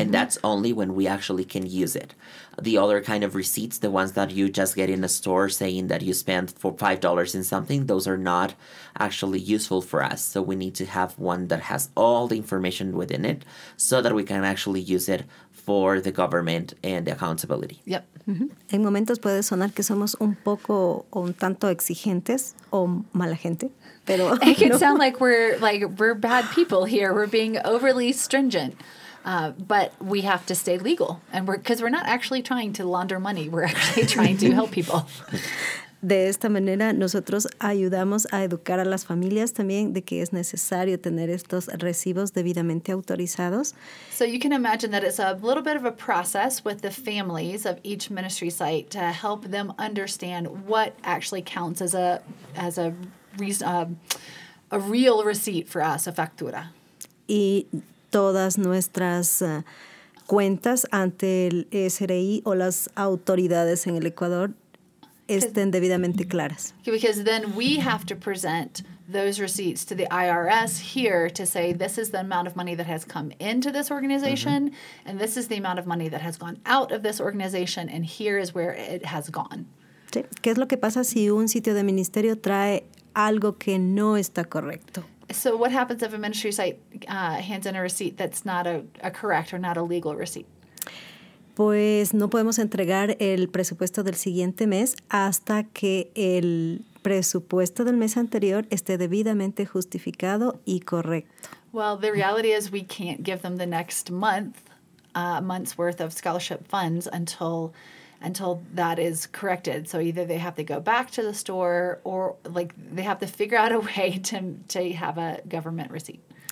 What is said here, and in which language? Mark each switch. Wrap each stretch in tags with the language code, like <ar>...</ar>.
<en>And that's only when we actually can use it. The other kind of receipts, the ones that you just get in a store saying that you spent $5 in something, those are not actually useful for us. So we need to have one that has all the information within it so that we can actually use it for the government and the accountability. Yep. Mm-hmm.</en> <es>En momentos puede sonar que somos un poco o un tanto exigentes o mala gente. Pero,</es> <en>it can sound like we're bad people here. We're being overly stringent, but we have to stay legal, and because we're not actually trying to launder money. We're actually trying to help people.</en> <es>De esta manera, nosotros ayudamos a educar a las familias también de que es necesario tener estos recibos debidamente autorizados.</es> <en>So you can imagine that it's a little bit of a process with the families of each ministry site to help them understand what actually counts as a real receipt for us, a factura.</en> <es>Y todas nuestras cuentas ante el SRI o las autoridades en el Ecuador estén debidamente claras.</es> <en>Okay, because then we have to present those receipts to the IRS here to say this is the amount of money that has come into this organization, mm-hmm. and this is the amount of money that has gone out of this organization, and here is where it has gone.</en> <es>Sí. ¿Qué es lo que pasa si un sitio de ministerio trae algo que no está correcto?</es> <en>So what happens if a ministry site hands in a receipt that's not a correct or not a legal receipt?</en> <es>Pues no podemos entregar el presupuesto del siguiente mes hasta que el presupuesto del mes anterior esté debidamente justificado y correcto.</es> <en>Well, the reality is we can't give them the next month's worth of scholarship funds until that is corrected. So either they have to go back to the store or like they have to figure out a way to have a government receipt.</en>